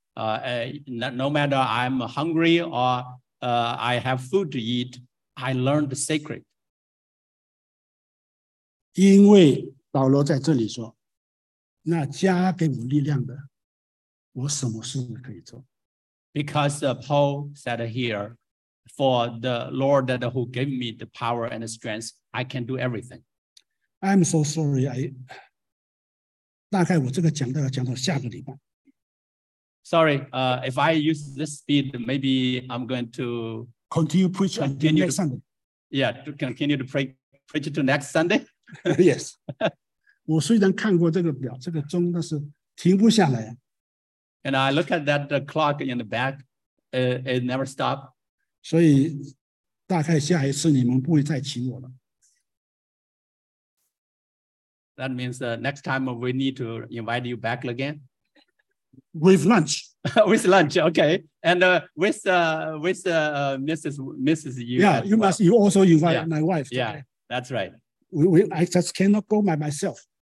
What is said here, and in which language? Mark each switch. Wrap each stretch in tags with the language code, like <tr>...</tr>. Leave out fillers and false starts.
<en>No matter I'm hungry or I have food to eat, I learned the secret.</en> <zh>因为保罗在这里说，那加给我力量的，我什么事可以做？</zh> <en>Because Paul said here, for the Lord that who gave me the power and the strength, I can do everything. I'm so sorry.</en> <zh>大概我这个讲到讲到下个礼拜。</zh> <en>Sorry, if I use this speed, maybe I'm going to continue preach until next Sunday. Yeah, to continue to preach to next Sunday. Yes.</en> <zh>我虽然看过这个表，这个钟，但是停不下来。</zh> <en>And I look at that clock in the back, it never stopped.</en> <zh>所以大概下一次你们不会再请我了。</zh> <en>That means next time we need to invite you back again. With lunch. With lunch, okay. And Mrs. Yu. Yeah, you must, you also invite my wife. Yeah, that's right. I just cannot go by myself.</en>